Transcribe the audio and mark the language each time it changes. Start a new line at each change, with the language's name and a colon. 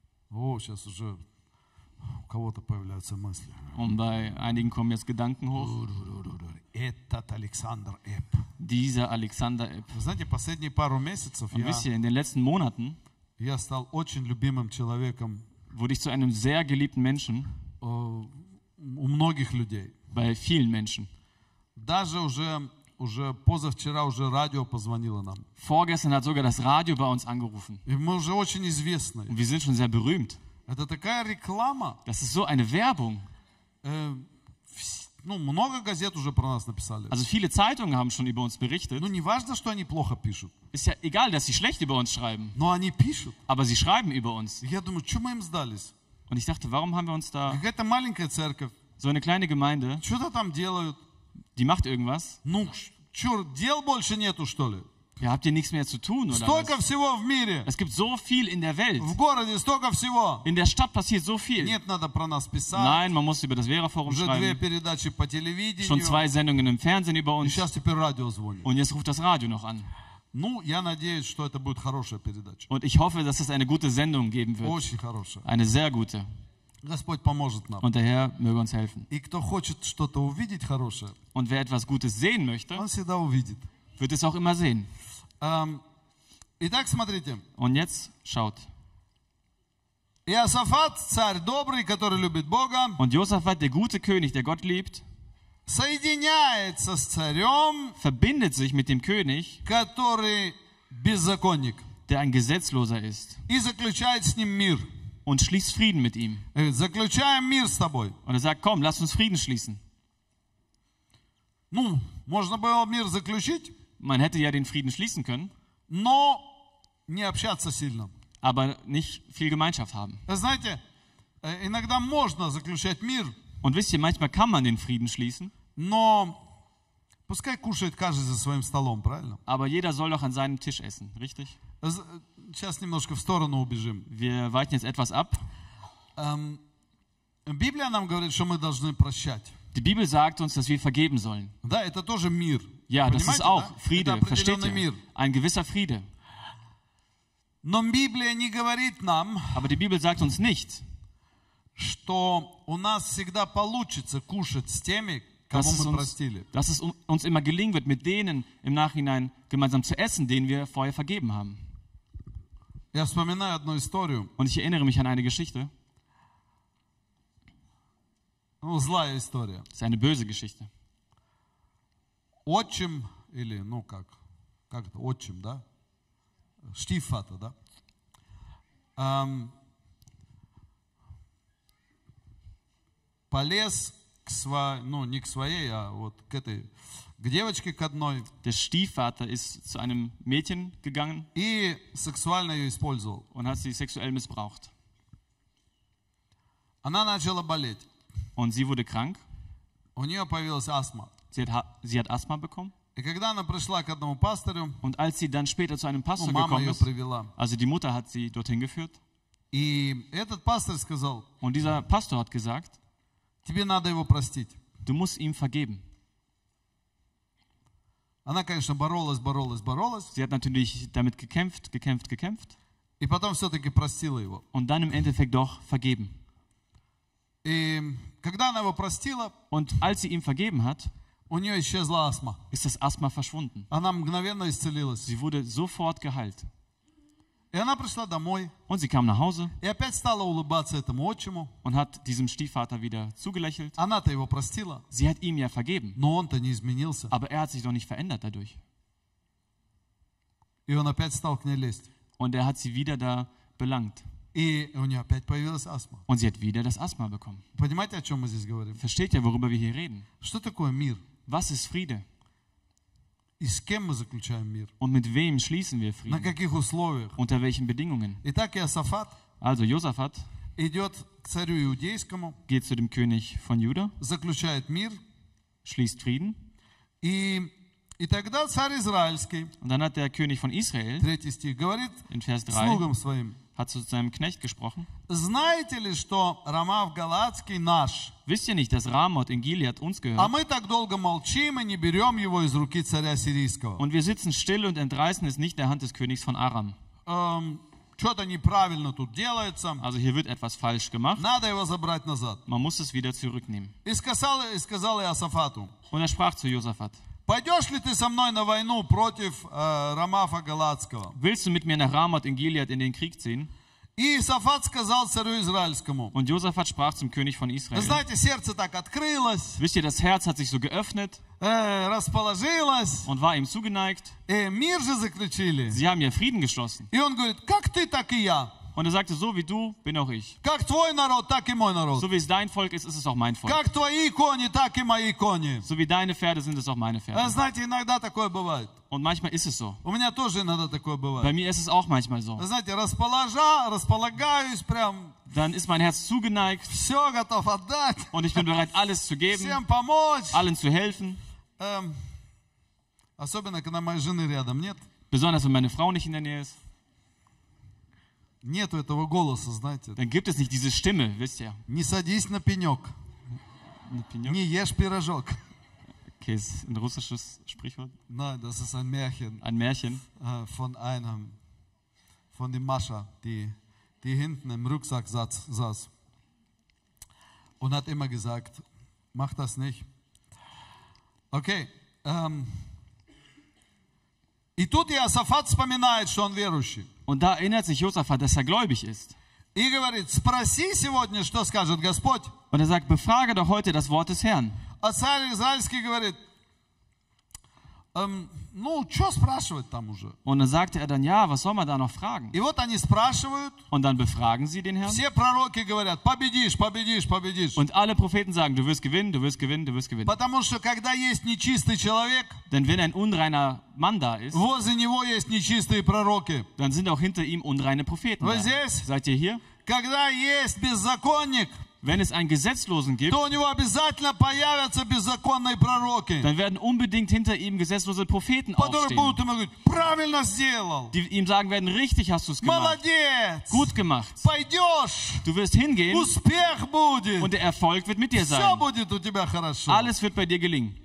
Russian: О, сейчас уже у кого-то появляются мысли.
German: Und bei einigen kommen jetzt Gedanken hoch.
Russian: Этот Александр Эп.
German: Dieser Alexander Epp.
Russian: Знаете, последние пару месяцев
German: und wisst ihr, in den letzten Monaten,
Russian: я стал очень любимым человеком,
German: wurde ich zu einem sehr geliebten Menschen,
Russian: у многих людей.
German: Bei vielen Menschen.
Russian: Даже уже позавчера уже радио позвонило нам.
German: Vorgestern hat sogar das Radio bei uns angerufen.
Russian: И мы уже очень известны.
German: Und wir sind schon sehr berühmt.
Russian: Это такая реклама.
German: Das ist so eine Werbung.
Russian: Много газет уже про нас написали.
German: Also viele Zeitungen haben schon über uns berichtet.
Russian: Не важно, что они плохо пишут.
German: Ist ja egal, dass sie schlecht über uns schreiben.
Russian: Но они пишут.
German: Aber sie schreiben über uns.
Russian: Я думаю, что мы им сдались?
German: Und ich dachte, warum haben wir uns da?
Russian: Какая-то маленькая церковь.
German: So eine kleine Gemeinde.
Russian: Что-то там делают.
German: Die macht irgendwas.
Russian: Ну, чур, дел больше нету, что ли?
German: Ja, habt ihr nichts mehr zu tun, oder
Russian: столько
German: was?
Russian: Всего в мире.
German: Es gibt so viel in der Welt.
Russian: В городе столько всего.
German: In der Stadt passiert so viel.
Russian: Нет, надо про нас писать.
German: Nein, man muss über das Vera-Forum
Russian: уже
German: schreiben.
Russian: Две передачи по телевидению.
German: Schon zwei Sendungen im Fernsehen über uns.
Russian: И сейчас теперь радио звонит.
German: Und jetzt ruft das Radio noch an.
Russian: Ну, я надеюсь, что это будет хорошая передача.
German: Und ich hoffe, dass es eine gute Sendung geben wird.
Russian: Очень хорошая.
German: Eine sehr gute.
Russian: Господь поможет нам.
German: Und der Herr möge uns helfen.
Russian: И кто хочет что-то увидеть хорошее,
German: und wer etwas Gutes sehen möchte,
Russian: он всегда увидит.
German: Wird es auch immer sehen.
Russian: Итак, смотрите.
German: Und jetzt schaut.
Russian: Иосафат, царь добрый, который любит Бога,
German: und Josaphat, der gute König, der Gott liebt,
Russian: соединяется с царем,
German: verbindet sich mit dem König,
Russian: который беззаконник,
German: der ein Gesetzloser ist,
Russian: и заключает с ним мир.
German: Und schließt Frieden mit ihm.
Russian: Заключаем мир с тобой.
German: Und sagt, komm, lass uns Frieden schließen.
Russian: Ну, можно было мир заключить.
German: Man hätte ja den Frieden schließen können.
Russian: Но не общаться сильно.
German: Aber nicht viel Gemeinschaft haben.
Russian: Знаете, иногда можно заключать мир.
German: Und wisst ihr, manchmal kann man den Frieden schließen.
Russian: Но пускай кушает каждый за своим столом, правильно?
German: Aber jeder soll doch an seinem Tisch essen, richtig?
Russian: Сейчас немножко в сторону убежим.
German: Wir weichen jetzt etwas ab.
Russian: Библия нам говорит, что мы должны прощать.
German: Die Bibel sagt uns, dass wir vergeben sollen.
Russian: Да, это тоже мир.
German: Ja, das ist auch Friede, versteht ihr? Ein gewisser Friede.
Russian: Но Библия не говорит нам,
German: aber die Bibel sagt uns nicht,
Russian: что у нас всегда получится кушать с теми, кого мы простили.
German: Dass es uns immer gelingen wird, mit denen im Nachhinein gemeinsam zu essen, denen wir vorher vergeben haben.
Russian: Я вспоминаю одну историю.
German: Und ich erinnere mich an eine Geschichte.
Russian: Ну, злая история.
German: Es ist eine böse Geschichte.
Russian: Отчим, или, ну как, как это, отчим, да? Штифата, да? Полез к своей, ну не к своей, а вот к этой, к девочке к одной.
German: Der Stiefvater ist zu einem Mädchen gegangen.
Russian: И сексуально ее использовал.
German: Und hat sie sexuell missbraucht.
Russian: Она начала болеть.
German: Und sie wurde krank.
Russian: У нее появилась астма.
German: Sie hat Asthma bekommen.
Russian: И когда она пришла к одному пастору,
German: und als sie dann später zu einem Pastor gekommen ist, also die Mutter hat sie dorthin geführt,
Russian: и этот пастор сказал,
German: und dieser Pastor hat gesagt,
Russian: тебе надо его простить.
German: Du musst ihm vergeben.
Russian: Она, конечно, боролась.
German: Sie hat natürlich damit gekämpft.
Russian: И потом все-таки простила его.
German: Und dann im Endeffekt doch vergeben.
Russian: И когда она его простила,
German: und als sie ihm vergeben hat,
Russian: у нее исчезла астма.
German: Ist das Asthma verschwunden.
Russian: Она мгновенно исцелилась.
German: Sie wurde sofort geheilt.
Russian: И она пришла домой.
German: Und sie kam nach Hause.
Russian: И опять стала улыбаться этому отчиму.
German: Und hat diesem Stiefvater wieder zugelächelt.
Russian: Она-то его простила.
German: Sie hat ihm ja vergeben.
Russian: Но он-то не изменился.
German: Aber er hat sich doch nicht verändert dadurch.
Russian: И он опять стал к ней лезть.
German: Und er hat sie wieder da belangt.
Russian: И у нее опять появилась астма.
German: Und sie hat wieder das Asthma bekommen.
Russian: Понимаете, о чем мы здесь говорим?
German: Versteht ihr, worüber wir hier reden?
Russian: Что такое мир?
German: Was ist Friede?
Russian: И с кем мы заключаем мир?
German: Und mit wem schließen wir Frieden?
Russian: На каких условиях?
German: Unter welchen Bedingungen?
Russian: Итак, Иосафат,
German: also Josaphat,
Russian: идет к царю иудейскому,
German: geht zu dem König von Juda,
Russian: заключает мир,
German: schließt Frieden,
Russian: и тогда царь израильский,
German: und dann hat der König von Israel,
Russian: третий стих, говорит,
German: in Vers 3,
Russian: слугам своим,
German: hat zu seinem Knecht gesprochen.
Russian: Знаете ли, что Рамав Галатский наш?
German: Wisst ihr nicht, dass Ramoth in Gilead uns gehört?
Russian: А мы так долго молчим и не берем его из руки царя сирийского.
German: Und wir sitzen still und entreißen es nicht der Hand des Königs von Aram.
Russian: Что-то неправильно тут делается.
German: Also hier wird etwas falsch gemacht.
Russian: Надо его забрать назад.
German: Man muss es wieder zurücknehmen.
Russian: И сказал Иосафату.
German: Und er sprach zu Josaphat.
Russian: Пойдешь ли ты со мной на войну против Рамафа Галатского?
German: Willst du mit mir nach Ramoth in Gilead in den Krieg ziehen?
Russian: И Иосафат сказал царю израильскому.
German: Und Josaphat sprach zum König von Israel.
Russian: Знаете, сердце так открылось.
German: Wisst ihr, das Herz hat sich so geöffnet.
Russian: Расположилось.
German: Und war ihm zugeneigt.
Russian: Мир же заключили.
German: Sie haben ja Frieden geschlossen.
Russian: И он говорит, как ты, так и я.
German: Und er sagte, so wie du, bin auch ich.
Russian: Как твой народ, так и мой народ.
German: So wie es dein Volk ist, ist es auch mein Volk.
Russian: Как твои кони, так и мои кони.
German: So wie deine Pferde sind, es auch meine Pferde.
Russian: Знаете, иногда такое бывает.
German: Und manchmal ist es so.
Russian: У меня тоже иногда такое бывает.
German: Bei mir ist es auch manchmal so.
Russian: Знаете, располагаюсь прям.
German: Dann ist mein Herz zugeneigt.
Russian: Все готов отдать.
German: Und ich bin bereit, alles zu geben.
Russian: Всем помочь.
German: Allen zu helfen.
Russian: Особенно, когда моей жены рядом нет.
German: Besonders, wenn meine Frau nicht in der Nähe ist.
Russian: Нету этого голоса, знаете.
German: Dann gibt es nicht diese Stimme, wisst ihr.
Russian: Не садись на пенек. На пенек? Не ешь пирожок.
German: Okay, ist ein russisches Sprichwort? Nein, das ist ein Märchen. Ein Märchen? Von dem Mascha, die hinten im Rucksack saß. Und hat immer gesagt, mach das nicht. Okay.
Russian: И тут Иосафат вспоминает, что он верующий.
German: Und da erinnert sich Josaphat, dass er gläubig ist.
Russian: И говорит, спроси сегодня, что скажет Господь.
German: Und er sagt, befrage doch heute das Wort des Herrn.
Russian: А царь израильский говорит,
German: Und dann sagte er dann, ja, was soll man da noch fragen? Und dann befragen sie den Herrn. Und alle Propheten sagen, du wirst gewinnen, du wirst gewinnen, du wirst gewinnen. Denn wenn ein unreiner Mann da ist, dann sind auch hinter ihm unreine Propheten. Seid ihr hier?
Russian: Когда есть беззаконник,
German: wenn es einen Gesetzlosen gibt,
Russian: то у него обязательно появятся беззаконные пророки,
German: dann werden unbedingt hinter ihm gesetzlose Propheten aufstehen,
Russian: правильно сделал,
German: die ihm sagen werden, richtig hast du es gemacht,
Russian: молодец,
German: gut gemacht,
Russian: пойдешь,
German: du wirst hingehen,
Russian: успех будет,
German: und der Erfolg wird mit dir sein,
Russian: все будет у тебя хорошо,
German: alles wird bei dir gelingen,